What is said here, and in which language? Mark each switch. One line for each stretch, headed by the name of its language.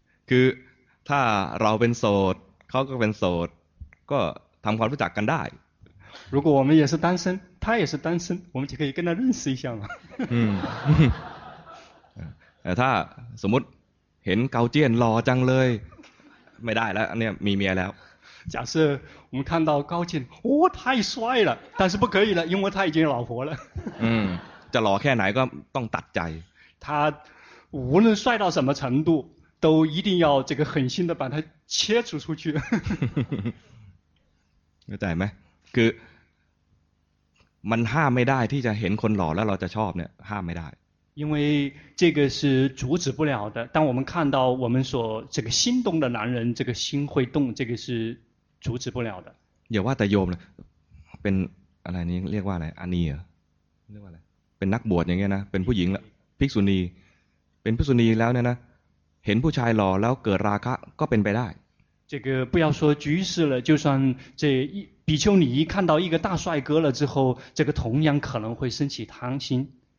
Thai: คือถ้าเราเป็นโสดเขาก็เป็นโสดก็ทำความรู้จักกันได้
Chinese: 如果我们也是单身他也是单身我们就可以跟他认识一下嘛
Thai: แต่ถ้าสมมติเห็นเกาเจียนรอจังเลยไม่ได้แล้วเนี่ยมีเมียแล้ว
Chinese: 假设我们看到高进哦太帅了但是不可以了因为他已经有老婆了
Thai: จะรอแค่ไหนก็ต้องตัดใจ
Chinese: 他无论帅到什么程度都一定要这个狠心的把他切除出去
Thai: ได้ไหมคือมันห้ามไม่ได้ที่จะเห็นคนหล่อแล้วเราจะชอบเนี่ยห้ามไม่ได้
Chinese: 因为这个是阻止不了的当我们看到我们所这个心动的男人这个心会动这个是阻止不了的
Thai: อย่าว่าแต่โยมเลยเป็นอะไรนี้เรียกว่าอะไรอานีเหรอเรียกว่าอะไรเป็นนักบวชอย่างเงี้ยนะเป็นผู้หญิงแล้วภิกษุณีเป็นภิกษุณีแล้วเนี่ยนะเห็นผู้ชายหล่อแล้วเกิดราคะก็เป็นไปได้
Chinese: 这个不要说居士了就算这比丘尼看到一个大帅哥了之后这个同样可能会升起贪心